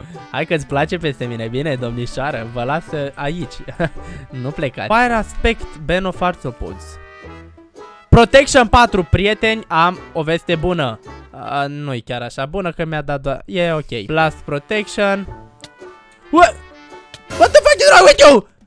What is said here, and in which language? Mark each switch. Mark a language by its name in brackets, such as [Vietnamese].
[Romanian] Hai că-ți place peste mine. Bine, domnișoară, vă las aici. Nu plecați. [English] Fire aspect, ban of arthropods. [Romanian] Protection 4, prieteni, am o veste bună. Nu-i chiar așa bună, că mi-a dat doar... E ok. Blast protection. [English] What the fuck is wrong with you?